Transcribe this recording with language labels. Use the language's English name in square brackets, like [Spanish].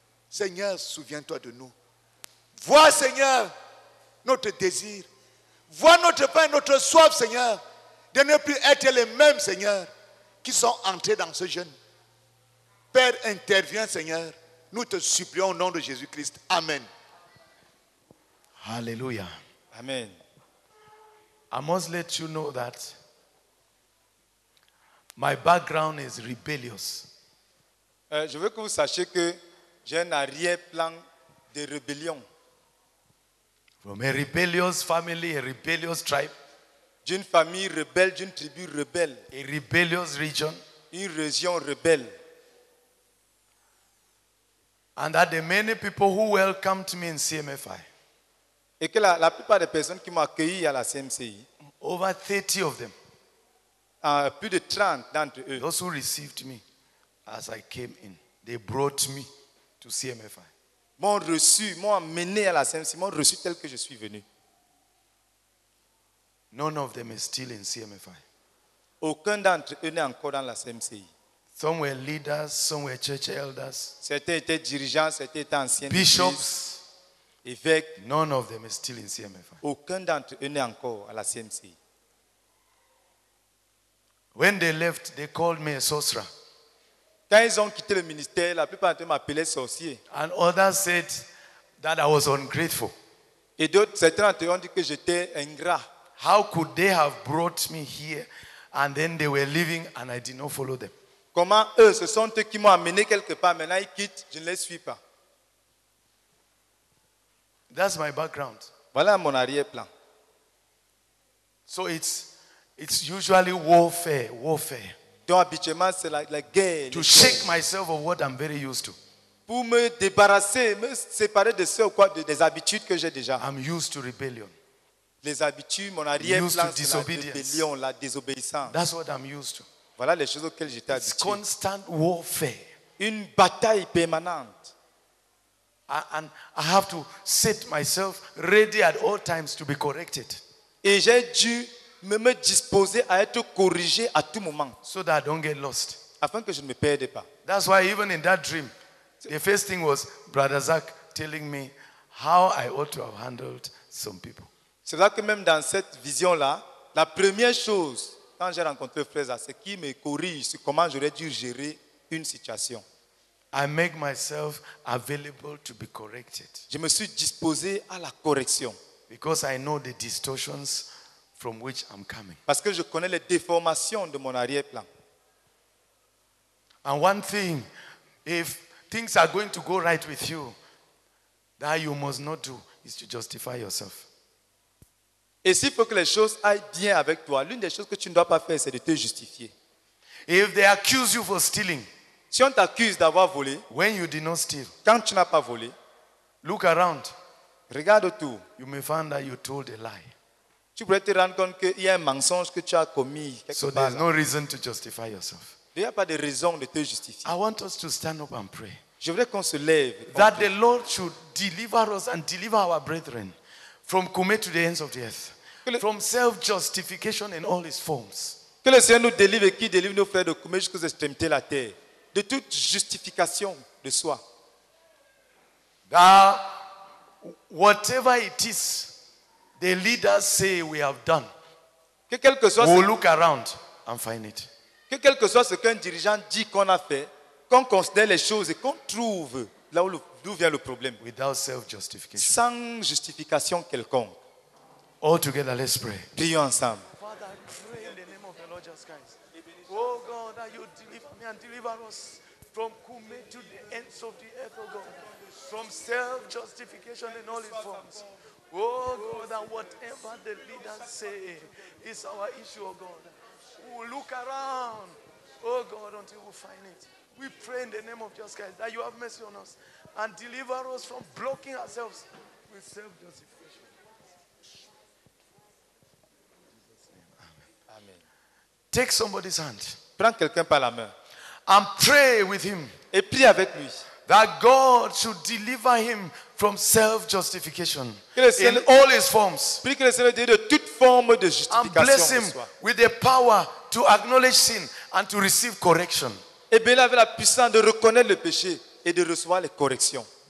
[French] Seigneur, souviens-toi de nous. Vois, Seigneur, notre désir. Vois notre faim, notre soif, Seigneur, de ne plus être les mêmes, Seigneur, qui sont entrés dans ce jeûne. Père, interviens, Seigneur. Nous te supplions au nom de Jésus-Christ. Amen. Alléluia. Amen. [English] I must let you know that my background is rebellious. [French] Je veux que vous sachiez que j'ai un arrière-plan de rébellion. [English] From a rebellious family, a rebellious tribe. [French] D'une famille rebelle, d'une tribu rebelle. [English] A rebellious region. [French] Une région rebelle. [English] And that the many people who welcomed me in CMFI. [French] Et que la plupart des personnes qui m'ont accueilli à la CMCI. [English] Over 30 of them. [French] Plus de 30 d'entre eux. [English] Those who received me as I came in. They brought me to CMFI. [French] M'ont reçu, m'ont amené à la CMCI, m'ont reçu tel que je suis venu. [English] None of them is still in CMFI. [French] Aucun d'entre eux n'est encore dans la CMCI. [English] Some were leaders, some were church elders. [French] Certains étaient dirigeants, certains étaient anciens. [English] Bishops, [French] évêques. [English] None of them is still in CMFI. [French] Aucun d'entre eux n'est encore à la CMCI. [English] When they left, they called me a sorcerer. [French] Quand ils ont quitté le ministère, la plupart d'entre eux m'appelaient sorcier. [English] And others said that I was ungrateful. [French] Et d'autres, certains d'entre eux ont dit que j'étais ingrat. [English] How could they have brought me here and then they were leaving and I did not follow them? [French] Comment eux, ce sont eux qui m'ont amené quelque part, maintenant ils quittent, je ne les suis pas. [English] That's my background. [French] Voilà mon arrière-plan. [English] So it's usually warfare. [French] Donc habituellement c'est la guerre. [English] To shake myself of what I'm very used to. [French] Pour me débarrasser, me séparer de ce ou quoi, des habitudes que j'ai déjà. [English] I'm used to rebellion. [French] Les habitudes, mon arrière-plan, c'est la rébellion, la désobéissance. [English] That's what I'm used to. [French] Voilà les choses auxquelles j'étais habitué. [English] It's constant warfare. [French] Une bataille permanente. [English] I have to set myself ready at all times to be corrected. [French] Et j'ai dû me disposer à être corrigé à tout moment. [English] So that I don't get lost. [French] Afin que je ne me perde pas. [English] That's why even in that dream, the first thing was Brother Zach telling me how I ought to have handled some people. [French] C'est là que même dans cette vision-là, la première chose, quand j'ai rencontré Frère, c'est qui me corrige sur comment j'aurais dû gérer une situation. [English] I make myself available to be corrected. [French] Je me suis disposé à la correction. [English] Because I know the distortions from which I'm coming. [French] Parce que je connais les déformations de mon arrière-plan. [English] And one thing, if things are going to go right with you, that you must not do is to justify yourself. [French] Et s'il faut que les choses aillent bien avec toi, l'une des choses que tu ne dois pas faire, c'est de te justifier. [English] If they accuse you for stealing, [French] si on t'accuse d'avoir volé, [English] when you did not steal, [French] quand tu n'as pas volé, [English] look around, [French] regarde autour, [English] you may find that you told a lie. [French] Tu pourrais te rendre compte qu'il y a un mensonge que tu as commis. [English] So there's no reason to justify yourself. [French] Il n'y a pas de raison de te justifier. [English] I want us to stand up and pray. [French] Je voudrais qu'on se lève. [English] That the Lord should deliver us and deliver our brethren. From Kume to the ends of the earth. From self-justification in all its forms. [French] Que le Seigneur nous délivre et qui délivre nos frères de Kume jusqu'aux extrémités de la terre. De toute justification de soi. [English] That whatever it is the leaders say we have done. [French] Que quel que soit [English] we'll look around and find it. [French] Que quel que soit ce qu'un dirigeant dit qu'on a fait, qu'on considère les choses et qu'on trouve là où d'où vient le problème. [English] Without self-justification. [French] Sans justification quelconque. [English] All together, let's pray. [French] Prions ensemble. [English] Father, I pray in the name of the Lord Jesus Christ. Oh God, that you deliver me and deliver us from Kume to the ends of the earth, oh God. From self-justification in all its forms. Oh God, that whatever the leaders say is our issue, oh God. We'll look around, oh God, until we find it. We pray in the name of Jesus Christ that you have mercy on us and deliver us from blocking ourselves with self-justification. Amen. Take somebody's hand. [French] Prends quelqu'un par la main. [English] And pray with him. [French] Et prie avec lui. [English] That God should deliver him from self-justification in all his forms. [French] Prie que le Seigneur délivre de toute forme de justification. [English] And bless him with the power to acknowledge sin and to receive correction. [French] Et bien avec la puissance de reconnaître le péché et de recevoir les corrections.